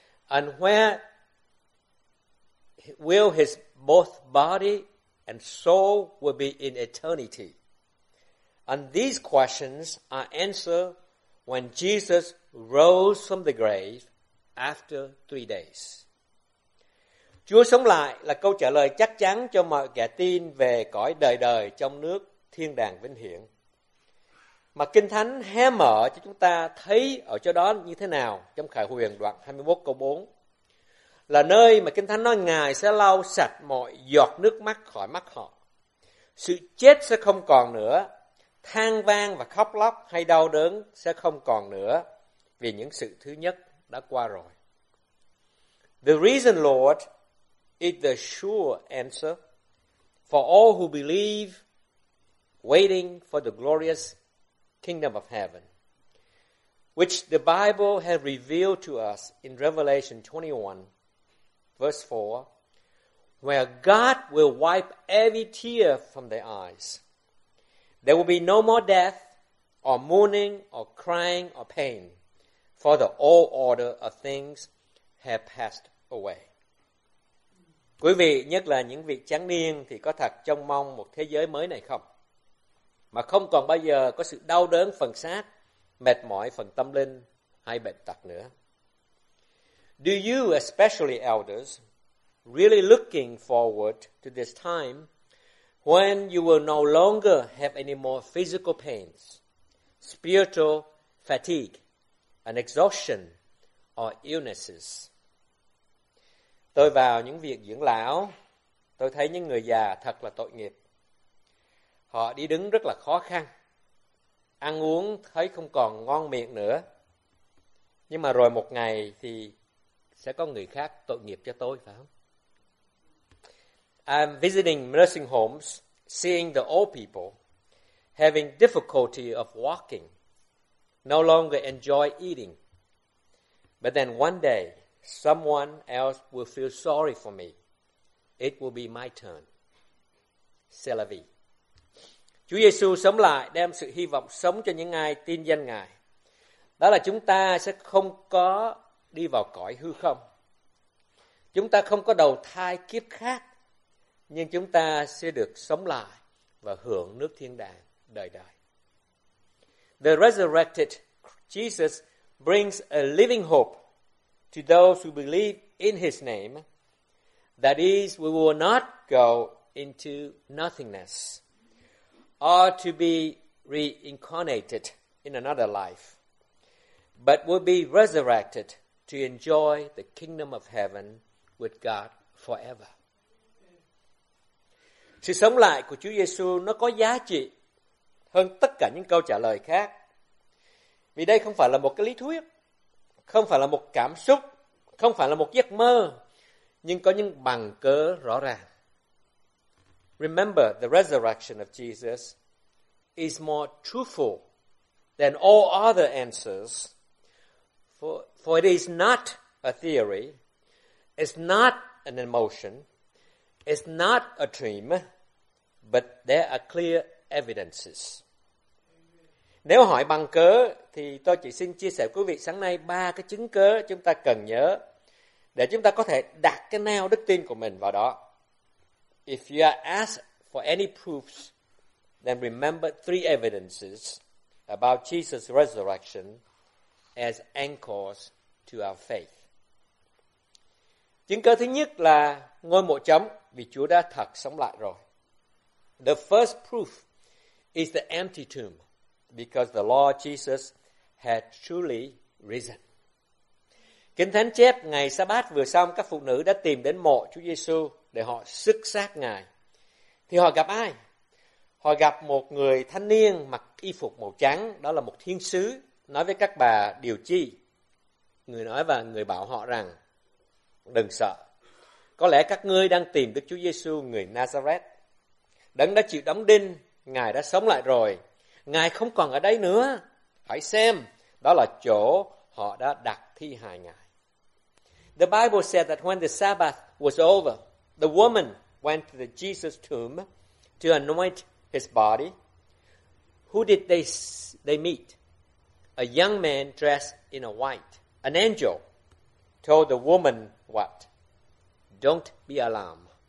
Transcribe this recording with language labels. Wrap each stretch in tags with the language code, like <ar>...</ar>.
<en>And where will his both body and soul will be in eternity? And these questions are answered when Jesus rose from the grave after 3 days.</en> <vi>Chúa sống lại là câu trả lời chắc chắn cho mọi kẻ tin về cõi đời đời trong nước thiên đàng vĩnh hiển. Mà Kinh Thánh hé mở cho chúng ta thấy ở chỗ đó như thế nào trong Khải Huyền đoạn 21 câu 4. Là nơi mà Kinh Thánh nói Ngài sẽ lau sạch mọi giọt nước mắt khỏi mắt họ. Sự chết sẽ không còn nữa. Than van và khóc lóc hay đau đớn sẽ không còn nữa. Vì những sự thứ nhất đã qua rồi.</vi> <en>The risen Lord is the sure answer for all who believe, waiting for the glorious kingdom of heaven, which the Bible has revealed to us in Revelation 21, verse 4, where God will wipe every tear from their eyes. There will be no more death, or mourning, or crying, or pain, for the old order of things have passed away.</en> <vi>Quý vị, nhất là những vị tráng niên thì có thật trông mong một thế giới mới này không? Mà không còn bao giờ có sự đau đớn phần xác, mệt mỏi phần tâm linh hay bệnh tật nữa.</vi> <en>Do you, especially elders, really looking forward to this time when you will no longer have any more physical pains, spiritual fatigue, and exhaustion or illnesses?</en> <vi>Tôi vào những viện dưỡng lão, tôi thấy những người già thật là tội nghiệp. Họ đi đứng rất là khó khăn, ăn uống thấy không còn ngon miệng nữa. Nhưng mà rồi một ngày thì sẽ có người khác tội nghiệp cho tôi, phải không?</vi> <en>I'm visiting nursing homes, seeing the old people having difficulty of walking, no longer enjoy eating. But then one day, someone else will feel sorry for me. It will be my turn.</en> <fr>C'est la vie.</fr> <vi>Chúa Giêsu sống lại đem sự hy vọng sống cho những ai tin danh Ngài. Đó là chúng ta sẽ không có đi vào cõi hư không. Chúng ta không có đầu thai kiếp khác, nhưng chúng ta sẽ được sống lại và hưởng nước thiên đàng đời đời.</vi> <en>The resurrected Jesus brings a living hope to those who believe in his name. That is, we will not go into nothingness, or to be reincarnated in another life, but will be resurrected to enjoy the kingdom of heaven with God forever.</en> <vi>Sự sống lại của Chúa Giêsu nó có giá trị hơn tất cả những câu trả lời khác. Vì đây không phải là một cái lý thuyết, không phải là một cảm xúc, không phải là một giấc mơ, nhưng có những bằng cớ rõ ràng.</vi> <en>Remember, the resurrection of Jesus is more truthful than all other answers, for it is not a theory, it's not an emotion, it's not a dream, but there are clear evidences.</en> <vi>Nếu hỏi bằng cớ thì tôi chỉ xin chia sẻ với quý vị sáng nay ba cái chứng cớ chúng ta cần nhớ để chúng ta có thể đặt cái nail đức tin của mình vào đó.</vi> <en>If you are asked for any proofs, then remember three evidences about Jesus' resurrection as anchors to our faith.</en> <vi>Chứng cớ thứ nhất là ngôi mộ trống, vì Chúa đã thật sống lại rồi.</vi> <en>The first proof is the empty tomb, because the Lord Jesus had truly risen.</en> <vi>Kinh Thánh chép ngày Sa-bát vừa xong, các phụ nữ đã tìm đến mộ Chúa Giê-xu để họ xức xác Ngài. Thì họ gặp ai? Họ gặp một người thanh niên mặc y phục màu trắng, đó là một thiên sứ, nói với các bà điều chi. Người nói và người bảo họ rằng, đừng sợ, có lẽ các ngươi đang tìm Đức Chúa Giê-xu người Nazareth. Đấng đã chịu đóng đinh, Ngài đã sống lại rồi. Ngài không còn ở đây nữa. Hãy xem, đó là chỗ họ đã đặt thi hài Ngài.</vi> <en>The Bible said that when the Sabbath was over, the woman went to the Jesus tomb to anoint his body. Who did they meet? A young man dressed in a white. An angel told the woman what? Don't be alarmed.</en>